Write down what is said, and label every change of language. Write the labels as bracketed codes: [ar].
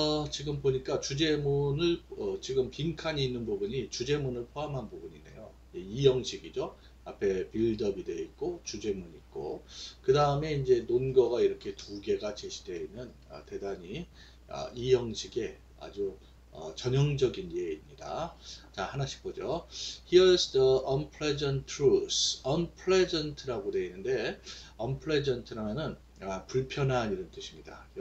[ko] 지금 보니까 주제문을, 지금 빈칸이 있는 부분이 주제문을 포함한 부분이네요. 이 형식이죠. 앞에 빌드업이 되어 있고, 주제문 있고, 그 다음에 이제 논거가 이렇게 두 개가 제시되어 있는 대단히 이 형식의 아주 전형적인 예입니다. 자, 하나씩 보죠. [en] Here's the unpleasant truth. [ko] Unpleasant라고 되어 있는데, unpleasant라는 불편한 이런 뜻입니다.